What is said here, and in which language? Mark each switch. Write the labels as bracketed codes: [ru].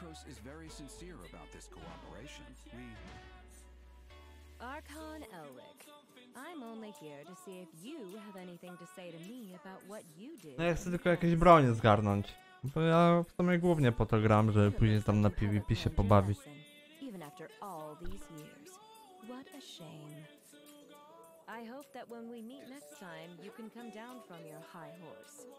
[en] Is very sincere about this cooperation. We Archon Elric, I'm only here to see if you have anything to say to me about what you did. [pl] No ja chcę tylko jakieś bronie zgarnąć, bo ja w sumie głównie po to gram, żeby później tam na PvP się pobawić. [en] Even after all these years, what a shame. I hope that when we meet next time, you can come down from your high horse.